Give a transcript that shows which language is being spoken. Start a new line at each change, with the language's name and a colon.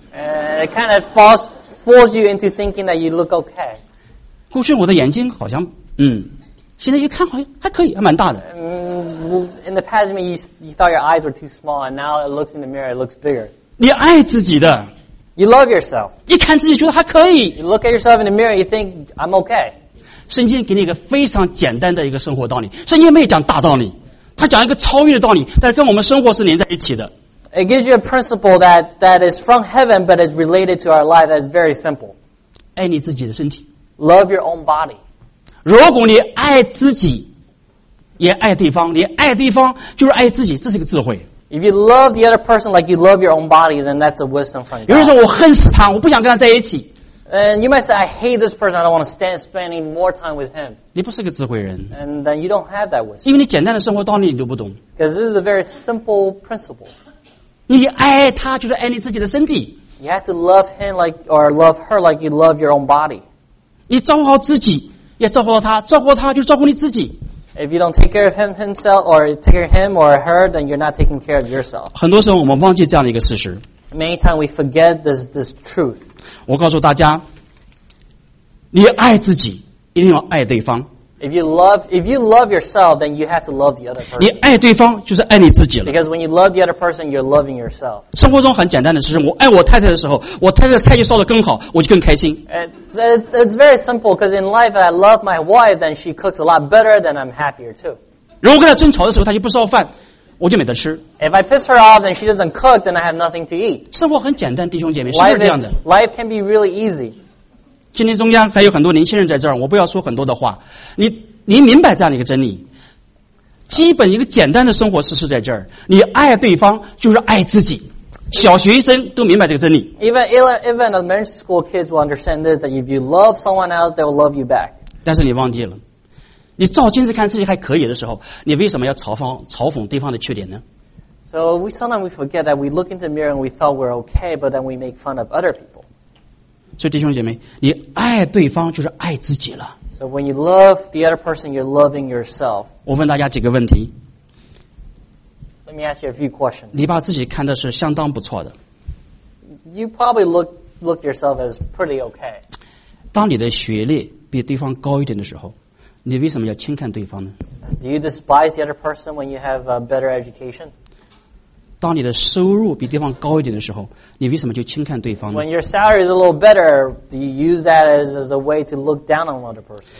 English: It kind of falls you into thinking that you look okay.
Chinese: 过去我的眼睛好像现在一看好像还可以，还蛮大的。
English: In the past, you thought your eyes were too small, and now it looks in the mirror, it looks bigger.
Chinese: 你爱自己的。
English: You love yourself.
Chinese: 一看自己觉得还可以。
English: You look at yourself in the mirror, you think I'm okay.
Chinese: 圣经给你一个非常简单的一个生活道理圣经没有讲大道理它讲一个超越的道理但是跟我们生活是连在一起的
English: It gives you a principle that is from heaven but is related to our life that is very simple
Chinese: 爱你自己的身体
English: Love your own body
Chinese: 如果你爱自己也爱对方你爱对方就是爱自己这是一个智慧
English: If you love the other person like you love your own body then that's a wisdom from God
Chinese: 有人说我恨死他我不想跟他在一起
English: And you might say, I hate this person, I don't want to spend any more time with him.
Chinese: 你不是个智慧人。
English: And then you don't have that wisdom.
Chinese: 因为你简单的生活道理你都不懂。
English: Because this is a very simple principle.
Chinese: 你爱他就是爱你自己的身体。
English: You have to love him like, or love her like you love your own body.
Chinese: 你照顾好自己,也照顾好他,照顾他就照顾你自己。
English: If you don't take care of him or her, then you're not taking care of yourself.
Chinese: 很多时候我们忘记这样的一个事实。
English: Many times we forget this truth.
Chinese: 我告诉大家，你爱自己，一定要爱对方。
English: If you love yourself, then you have to love the other person.
Chinese: 你爱对方就是爱你自己了。
English: Because when you love the other person, you're loving yourself.
Chinese: 生活中很简单的事情，我爱我太太的时候，我太太的菜就烧得更好，我就更开心。
English: It's very simple because in life, I love my wife, then she cooks a lot better, then I'm happier too.
Chinese: 如果跟她争吵的时候，她就不烧饭。我就没得吃。
English: If I piss her off, then she doesn't cook, then I have nothing to eat.
Chinese: 生活很简单，弟兄姐妹，是不是这样的
English: ？Life can be really easy.
Chinese: 今天中央还有很多年轻人在这儿，我不要说很多的话。你明白这样的一个真理？基本一个简单的生活是在这儿。你爱对方就是爱自己。小学生都明白这个真理。
English: Even elementary school kids will understand this, that if you love someone else, they will love you back.
Chinese: 但是你忘记了，你照镜子看自己还可以的时候，你为什么要嘲讽对方的缺点呢？
English: So we sometimes we forget that we look in the mirror and we thought we're okay, but then we make fun of other people.
Chinese: 所以弟兄姐妹，你爱对方就是爱自己了。
English: So when you love the other person, you're loving yourself.
Chinese: 我问大家几个问题。
English: Let me ask you a few questions.
Chinese: 你把自己看的是相当不错的。
English: You probably look yourself as pretty okay.
Chinese: 当你的学历比对方高一点的时候，你为什么要轻看对方呢？
English: Do you despise the other person when you have a better education?
Chinese: 当你的收入比对方高一点的时候，你为什么就轻看对方呢？
English: When your salary is a little better, do you use that as a way to look down on another person?